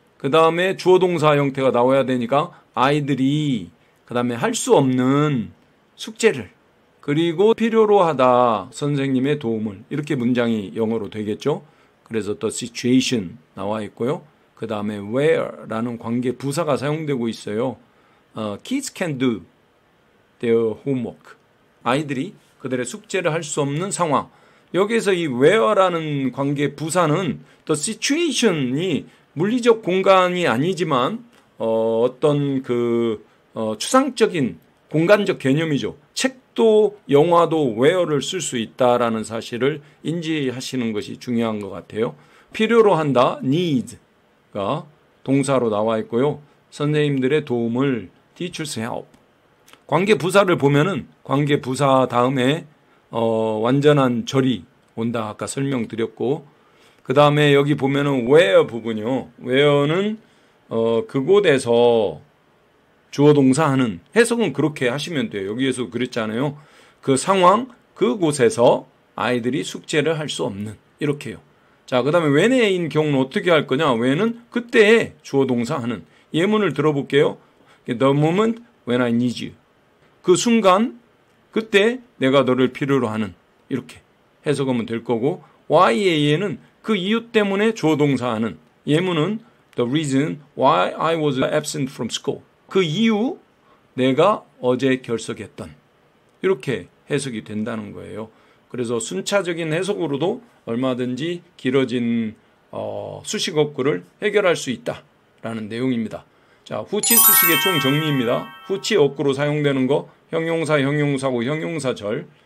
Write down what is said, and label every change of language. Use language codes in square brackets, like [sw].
[ko] 그 다음에 주어 동사 형태가 나와야 되니까 아이들이, 그 다음에 할 수 없는 숙제를. 그리고 필요로 하다 선생님의 도움을 이렇게 문장이 영어로 되겠죠. 그래서 the situation 나와 있고요. 그 다음에 where라는 관계 부사가 사용되고 있어요. [en] Kids can do their homework. [ko] 아이들이 그들의 숙제를 할 수 없는 상황. 여기에서 이 where라는 관계 부사는 the situation이 물리적 공간이 아니지만 어떤 그 추상적인 공간적 개념이죠. 또 영화도 웨어를 쓸 수 있다라는 사실을 인지하시는 것이 중요한 것 같아요. 필요로 한다, need가 동사로 나와 있고요. 선생님들의 도움을, teacher's help. 관계 부사를 보면은 관계 부사 다음에 완전한 절이 온다 아까 설명드렸고 그 다음에 여기 보면은 where 부분이요. where는 그곳에서 주어 동사하는 해석은 그렇게 하시면 돼요. 여기에서 그랬잖아요. 그 상황, 그곳에서 아이들이 숙제를 할 수 없는 이렇게요. 자, 그 다음에 when인 경우는 어떻게 할 거냐. when은 그때 주어 동사하는 예문을 들어볼게요. [en] The moment when I need you. [ko] 그 순간, 그때 내가 너를 필요로 하는. 이렇게 해석하면 될 거고, why에는 그 이유 때문에 조동사하는. 예문은 [en] the reason why I was absent from school. [ko] 그 이유, 내가 어제 결석했던. 이렇게 해석이 된다는 거예요. 그래서 순차적인 해석으로도 얼마든지 길어진 수식어구를 해결할 수 있다라는 내용입니다. 자, 후치 수식의 총정리입니다. 후치 어구로 사용되는 거, 형용사, 형용사고, 형용사절.